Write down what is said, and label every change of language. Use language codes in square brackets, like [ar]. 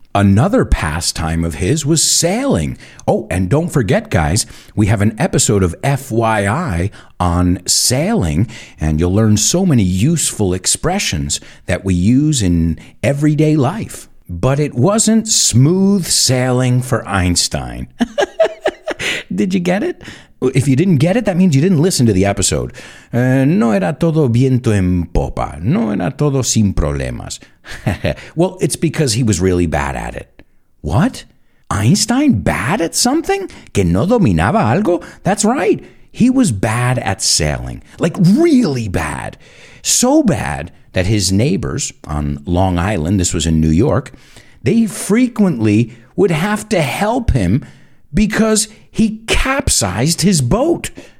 [en] Another pastime of his was sailing. Oh, and don't forget, guys, we have an episode of FYI on sailing, and you'll learn so many useful expressions that we use in everyday life. But it wasn't smooth sailing for Einstein. Did you get it? If you didn't get it, that means you didn't listen to the episode. [es] No era todo viento en popa. No era todo sin problemas. [en] Well, it's because he was really bad at it. What? Einstein bad at something? [es] Que no dominaba algo? [en] That's right. He was bad at sailing. Like, really bad. So bad that his neighbors on Long Island, this was in New York, they frequently would have to help him because he capsized his boat.